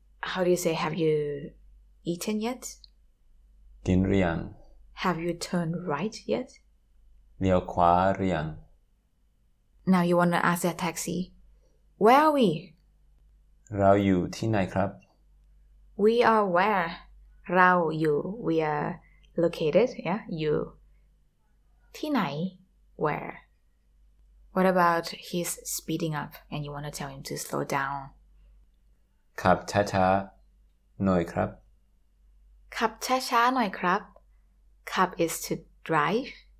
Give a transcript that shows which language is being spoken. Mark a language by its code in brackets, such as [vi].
[en] How do you say, have you eaten yet? [th] กินหรือยัง [en] Have you turned right yet? [th] เลี้ยวขวาหรือยัง [en] Now you want to ask that taxi, where are we? [th] เราอยู่ที่ไหนครับ [en] We are where? [th] เราอยู่ [en] We are located, yeah? [th] อยู่ที่ไหน Where? [en] What about he's speeding up and you want to tell him to slow down? [th] ขับช้าๆหน่อยครับ ขับช้าๆหน่อยครับขับ [en] is to drive.